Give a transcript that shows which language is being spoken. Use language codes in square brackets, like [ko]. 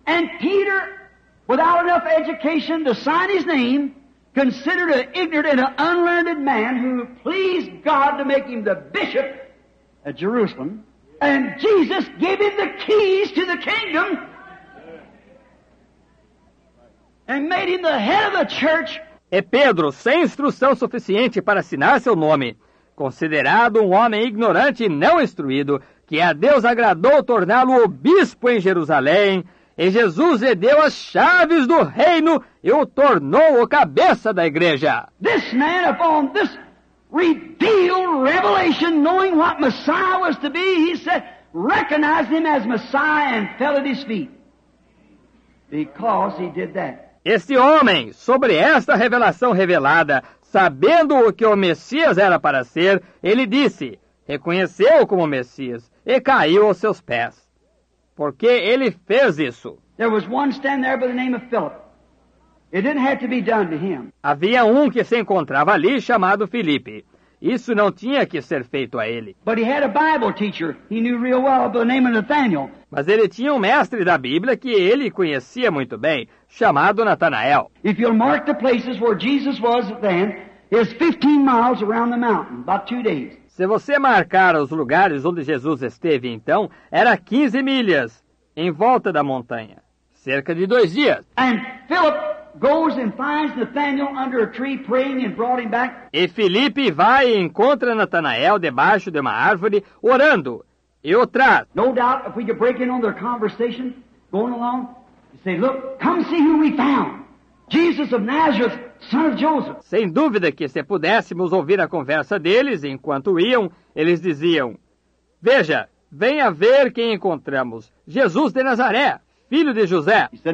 [en] And Peter, without enough education to sign his name, considered an ignorant and an unlearned man who pleased God to make him the bishop at Jerusalem, and Jesus gave him the keys to the kingdom and made him the head of the church. [pt] E Pedro, sem instrução suficiente para assinar seu nome, considerado um homem ignorante e não instruído, que a Deus agradou torná-lo o bispo em Jerusalém, e Jesus lhe deu as chaves do reino e o tornou o cabeça da igreja. [en] This man upon this revealed revelation, knowing what Messiah was to be, he said, recognized him as Messiah and fell at his feet. Because he did that. [pt] Este homem, sobre esta revelação revelada, sabendo o que o Messias era para ser, ele disse, reconheceu-o como Messias e caiu aos seus pés. Porque ele fez isso. [en] There was one standing there by the name of Philip. It didn't have to be done to him. [pt] Havia um que se encontrava ali chamado Filipe. Isso não tinha que ser feito a ele. [en] But he had a Bible teacher he knew real well by the name of Nathanael. [pt] Mas ele tinha um mestre da Bíblia que ele conhecia muito bem, chamado Natanael. [en] If you mark the places where Jesus was then, it's 15 miles around the mountain, about 2 days. [pt] Se você marcar os lugares onde Jesus esteve então, era 15 milhas em volta da montanha, cerca de 2 dias. [en] And Philip goes and finds Nathanael under a tree praying and brought him back. [pt] E Filipe vai e encontra Natanael debaixo de uma árvore orando e o traz. [en] No doubt, if we could break in on their conversation going along, say, look, come see who we found. Jesus of Nazareth, son of Joseph. [pt] Sem dúvida que se pudéssemos ouvir a conversa deles enquanto iam, eles diziam, veja, venha ver quem encontramos, Jesus de Nazaré. Filho de José.